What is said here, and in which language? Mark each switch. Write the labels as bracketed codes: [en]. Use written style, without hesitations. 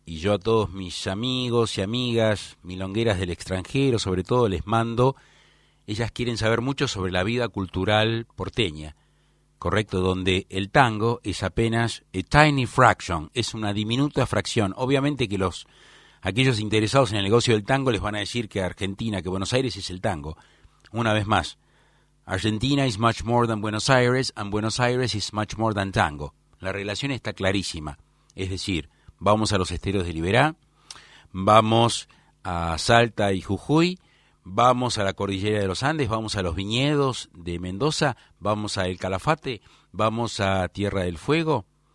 [es] Y yo a todos mis amigos y amigas milongueras del extranjero, sobre todo, les mando, ellas quieren saber mucho sobre la vida cultural porteña, correcto, donde el tango es apenas [en] a tiny fraction, [es] es una diminuta fracción. Obviamente que aquellos interesados en el negocio del tango les van a decir que Argentina, que Buenos Aires es el tango. Una vez más, [en] Argentina is much more than Buenos Aires and Buenos Aires is much more than tango. [es] La relación está clarísima. Es decir, vamos a los esteros de Liberá, vamos a Salta y Jujuy, vamos a la cordillera de los Andes, vamos a los viñedos de Mendoza, vamos a El Calafate, vamos a Tierra del Fuego,